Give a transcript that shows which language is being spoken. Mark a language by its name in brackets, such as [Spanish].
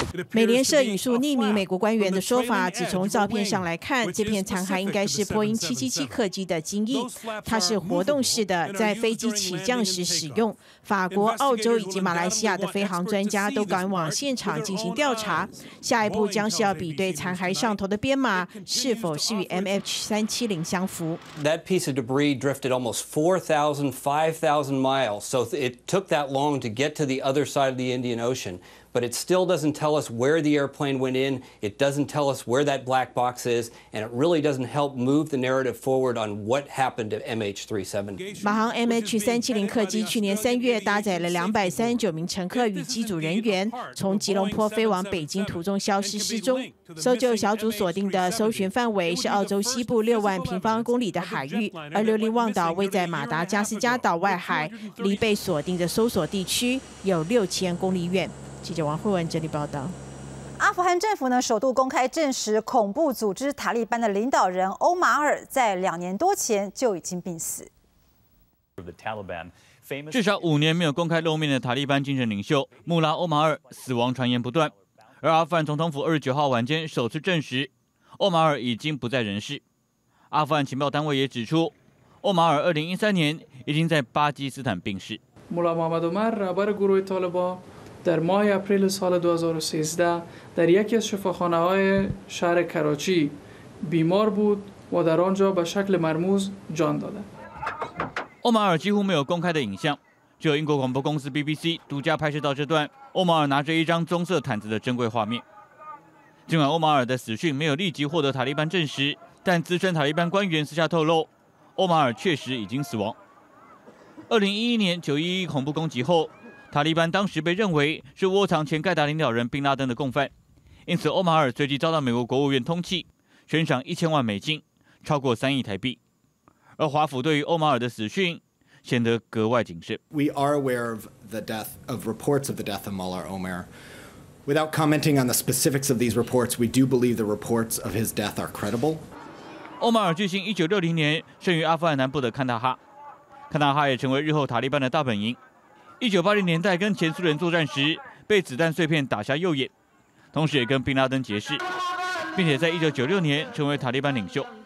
[Chinese] 美联社引述匿名美国官员的说法，指从照片上来看，这片残骸应该是波音777客机的机翼，它是活动式的，在飞机起降时使用。法国、澳洲以及马来西亚的飞航专家都赶往现场进行调查，下一步将是要比对残骸上头的编码是否是与 MH370 相符。 [English] That piece of debris drifted almost 4,000, 5,000 miles, so it took that long to get to the other side of the Indian Ocean. But it still doesn't tell us where the airplane went in. It doesn't tell us where that black box is. And it really doesn't help move the narrative forward on what happened to MH370. [Chinese] 马航 MH370 客机去年三月搭载了239名乘客与机组人员，从吉隆坡飞往北京途中消失失踪。搜救小组锁定的搜寻范围是澳洲西部60,000平方公里的海域，而留尼旺岛位在马达加斯加岛外海，离被锁定的搜索地区有6000公里远。记者王慧文整理报道。阿富汗政府呢首度公开证实，恐怖组织塔利班的领导人欧马尔在2年多前就已经病死。至少5年没有公开露面的塔利班精神领袖穆拉欧马尔死亡传言不断，而阿富汗总统府29号晚间首次证实，欧马尔已经不在人世。阿富汗情报单位也指出，欧马尔2013年已经在巴基斯坦病逝。穆拉马马杜马尔巴尔古鲁伊塔利班。 [Persian] در ماه اپریل سال 2013 در یکی از شفاخانه های شهر کراچی بیمار بود و در آنجا به شکل مرموز جان داد. [Chinese] اومار 几乎没有公开的影像，只有英国广播公司 BBC 独家拍摄到这段欧马尔拿着一张棕色毯子的珍贵画面。尽管欧马尔的死讯没有立即获得塔利班证实，但资深塔利班官员私下透露，欧马尔确实已经死亡。 2011年911恐怖攻击后，塔利班当时被认为是窝藏前盖达领导人宾拉登的共犯，因此欧马尔随即遭到美国国务院通缉，悬赏1000万美金，超过3亿台币。而华府对于欧马尔的死讯显得格外谨慎。 [English] We are aware of the death of reports of the death of Mullah Omar. Without commenting on the specifics of these reports, we do believe the reports of his death are credible. [Chinese] 欧马尔巨星1960年生于阿富汗南部的坎大哈，坎大哈也成为日后塔利班的大本营。 1980年代跟前苏联作战时，被子弹碎片打瞎右眼，同时也跟宾拉登结识，并且在1996年成为塔利班领袖。